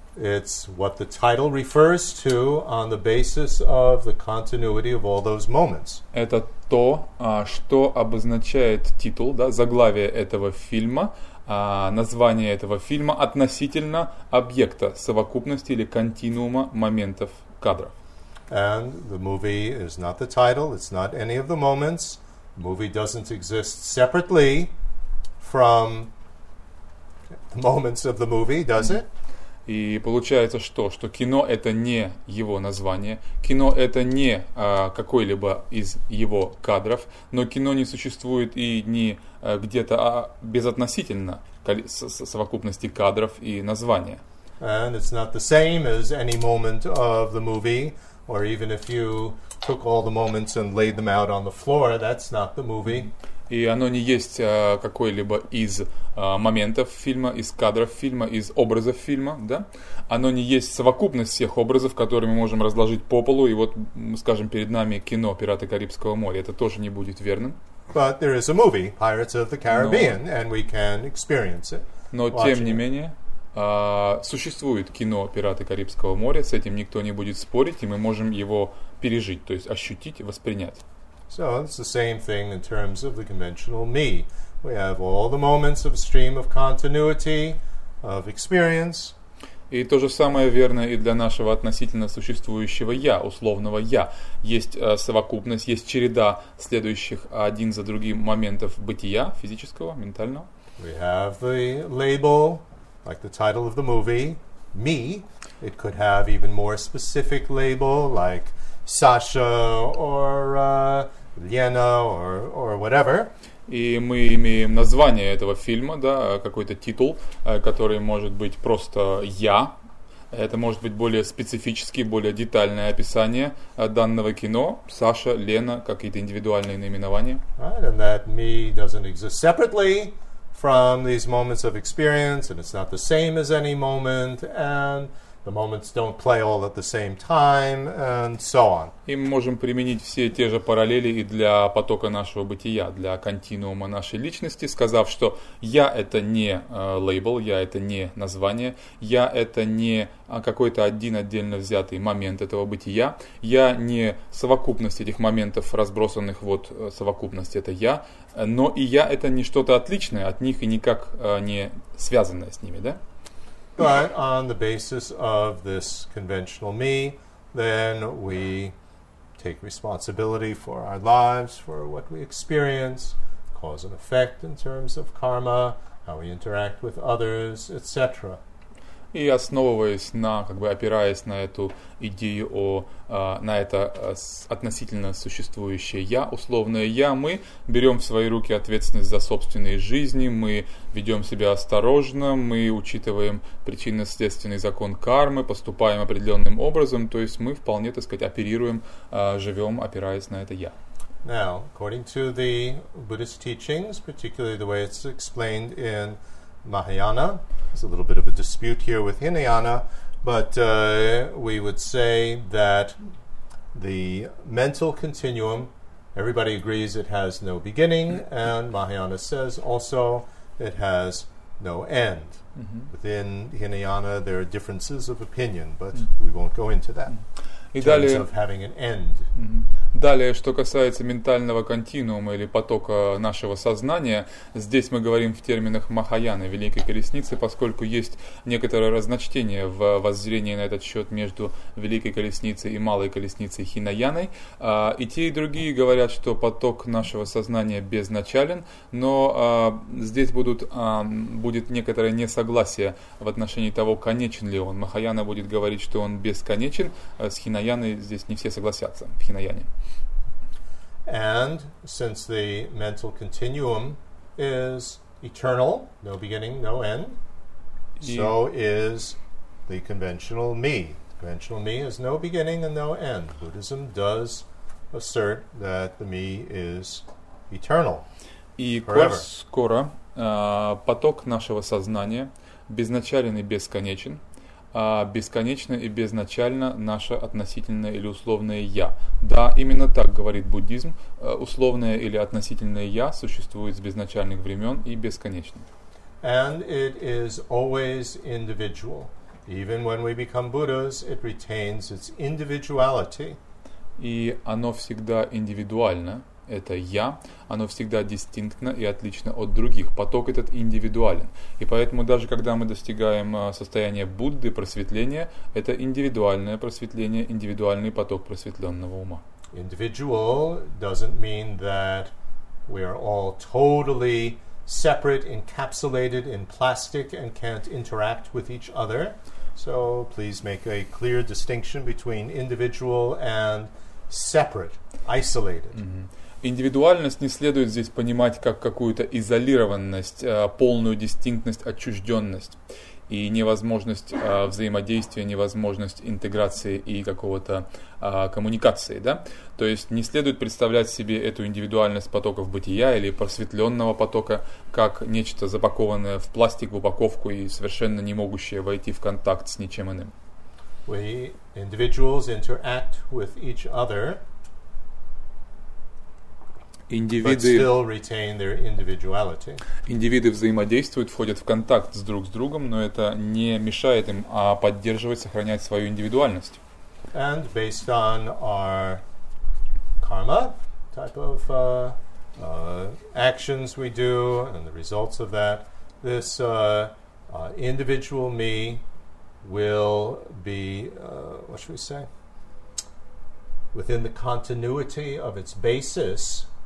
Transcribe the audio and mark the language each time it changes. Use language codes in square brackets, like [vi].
[en] It's what the title refers to on the basis of the continuity of all those moments. [ru] Это то, что обозначает титул, да, заглавие этого фильма, название этого фильма относительно объекта, совокупности или континуума моментов кадров. [en] And the movie is not the title, it's not any of the moments. The movie doesn't exist separately from the moments of the movie, does it? [ru] И получается что? Что кино — это не его название, кино — это не какой-либо из его кадров, но кино не существует и не где-то, а безотносительно совокупности кадров и названия. [en] And it's not the same as any moment of the movie, or even if you took all the moments and laid them out on the floor, that's not the movie. [ru] И оно не есть какой-либо из моментов фильма, из кадров фильма, из образов фильма, да? Оно не есть совокупность всех образов, которые мы можем разложить по полу, и вот, скажем, перед нами кино «Пираты Карибского моря». Это тоже не будет верным. [en] But there is a movie, Pirates of the Caribbean, and we can experience it. [ru] Но, тем не менее, существует кино «Пираты Карибского моря», с этим никто не будет спорить, и мы можем его пережить, то есть ощутить, воспринять. [en] So it's the same thing in terms of the conventional me. We have all the moments of stream of continuity, of experience. [ru] И то же самое верно и для нашего относительно существующего я, условного я. Есть совокупность, есть череда следующих один за другим моментов бытия физического, ментального. [en] We have the label, like the title of the movie, me. It could have even more specific label, like Саша, or Лена, or whatever. [ru] И мы имеем название этого фильма, да, какой-то титул, который может быть просто «Я». Это может быть более специфический, более детальное описание данного кино. Саша, Лена, какие-то индивидуальные наименования. [en] Right, and that «me» doesn't exist separately from these moments of experience, and it's not the same as any moment, and the moments don't play all at the same time, and so on. [ru] И мы можем применить все те же параллели и для потока нашего бытия, для континуума нашей личности, сказав, что я — это не лейбл, я — это не название, я — это не какой-то один отдельно взятый момент этого бытия, я — не совокупность этих моментов, разбросанных вот совокупность — это я, но и я — это не что-то отличное от них и никак не связанное с ними, да? [en] But on the basis of this conventional me, then we take responsibility for our lives, for what we experience, cause and effect in terms of karma, how we interact with others, etc. [ru] И основываясь на, как бы опираясь на эту идею о, на это относительно существующее я, условное я, мы берем в свои руки ответственность за собственные жизни, мы ведем себя осторожно, мы учитываем причинно-следственный закон кармы, поступаем определенным образом, то есть мы вполне, так сказать, оперируем, живем, опираясь на это я. [en] Now, according to the Buddhist teachings, particularly the way it's explained in Mahayana, there's a little bit of a dispute here with Hinayana, but we would say that the mental continuum, everybody agrees it has no beginning, and Mahayana says also it has no end. Mm-hmm. Within Hinayana there are differences of opinion, but we won't go into that. In terms of having an end. [ru] Далее, что касается ментального континуума или потока нашего сознания, здесь мы говорим в терминах Махаяны, Великой Колесницы, поскольку есть некоторое разночтение в воззрении на этот счет между Великой Колесницей и Малой Колесницей Хинаяной. И те, и другие говорят, что поток нашего сознания безначален, но здесь будет некоторое несогласие в отношении того, конечен ли он. Махаяна будет говорить, что он бесконечен, с Хинаяной здесь не все согласятся в Хинаяне. [en] And since the mental continuum is eternal, no beginning, no end, so is the conventional me. The conventional me has no beginning and no end. Buddhism does assert that the me is eternal. [ru] И скоро поток нашего сознания безначален и бесконечен. Бесконечно и безначально наше относительное или условное «я». Да, именно так говорит буддизм. Условное или относительное «я» существует с безначальных времен и бесконечно. [en] And it is always individual. Even when we become Buddhas, it retains its individuality. [ru] И оно всегда индивидуально. Это «я», оно всегда дистинктно и отлично от других. Поток этот индивидуален. И поэтому даже когда мы достигаем состояния Будды, просветления, это индивидуальное просветление, индивидуальный поток просветленного ума. [en] Individual doesn't mean that we are all totally separate, encapsulated in plastic and can't interact with each other. So please make a clear distinction between individual and separate, isolated. Mm-hmm. [ru] Индивидуальность не следует здесь понимать как какую-то изолированность, полную дистинктность, отчужденность и невозможность взаимодействия, невозможность интеграции и какого-то коммуникации, да? То есть не следует представлять себе эту индивидуальность потоков бытия или просветленного потока как нечто запакованное в пластик, в упаковку и совершенно не могущее войти в контакт с ничем иным. [en] We individuals interact with each other. [ru] Индивиды, [en] but still retain their individuality. [ru] Индивиды взаимодействуют, входят в контакт с друг с другом, но это не мешает им, а поддерживает, сохраняет свою индивидуальность. [en] And based on our karma type of actions we do and the results of that, this individual me will be, what should we say, within the continuity of its basis.